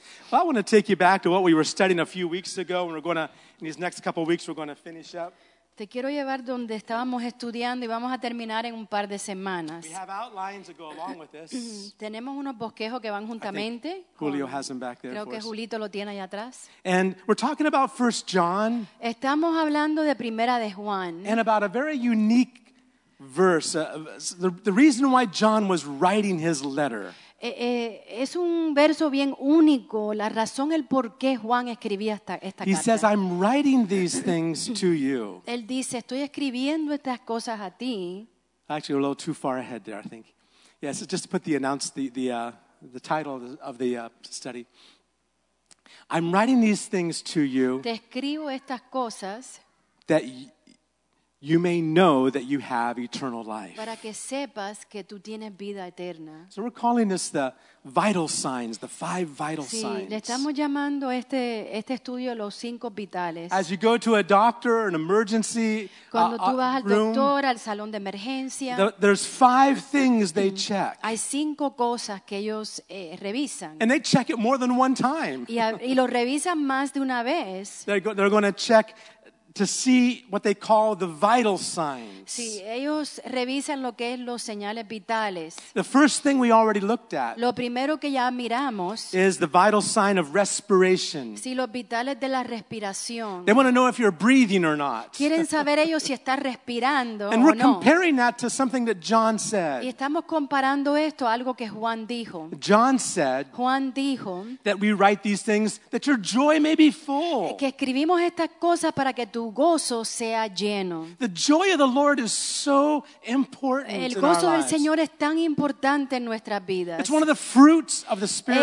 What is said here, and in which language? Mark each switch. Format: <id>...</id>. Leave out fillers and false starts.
<en>Well, I want to take you back to what we were studying a few weeks ago. And we're going to, in these next couple of weeks, we're going to finish up.</en> <es>Te quiero llevar donde estábamos estudiando y vamos a terminar en un par de semanas.</es> <en>We have outlines that go along with this.</en> <es>Tenemos unos bosquejos que van juntamente.</es> <en>Julio has them back there.</en> <es>Creo que Julito lo tiene allá atrás.</es> <en>And we're talking about 1 John.</en> <es>Estamos hablando de Primera de Juan.</es> <en>And about a very unique verse. The reason why John was writing his letter.</en> <es>Es un verso bien único, la razón, el por qué Juan escribía esta carta.</es> <en>He says, "I'm writing these things to you."</en> <es>Él dice, estoy escribiendo estas cosas a ti.</es> <en>Actually, a little too far ahead there, I think. Yes, yeah, so just to put the title of the study. I'm writing these things to you.</en> <es>Te escribo estas cosas.</es> <en>That you may know that you have eternal life.</en> <es>Para que sepas que tú tienes vida eterna.</es> <en>So we're calling this the vital signs, the 5 vital</en> <es>sí,</es> <en>signs.</en> <es>Le estamos llamando este estudio los 5 vitales.</es> <en>As you go to a doctor, an emergency</en> <es>room. Cuando tú vas al doctor,</es> <en>room,</en> <es>al salón de emergencia.</es> <en>There's 5 things they check.</en> <es>Hay 5 cosas que ellos revisan.</es> <en>And they check it more than one time.</en> <es>Y lo revisan más de una vez.</es> <en>They're going to check to see what they call the vital signs.</en> <es>Sí, ellos revisan lo que es los señales vitales.</es> <en>The first thing we already looked at.</en> <es>Lo primero que ya miramos.</es> <en>Is the vital sign of respiration.</en> <es>Sí, los vitales de la respiración.</es> <en>They want to know if you're breathing or not.</en> <es>Quieren saber ellos si están respirando o no.</es> <en>And we're comparing that to something that John said.</en> <es>Y estamos comparando esto a algo que Juan dijo.</es> <en>John said.</en> <es>Juan dijo.</es> <en>That we write these things that your joy may be full.</en> <es>Que escribimos estas cosas para que tu gozo sea lleno.</es> <en>The joy of the Lord is so important in our</en> <es>lives. El gozo del</es> <en>lives.</en> <es>Señor es tan importante en nuestras vidas.</es> <en>It's one of the fruits of the Spirit.</en>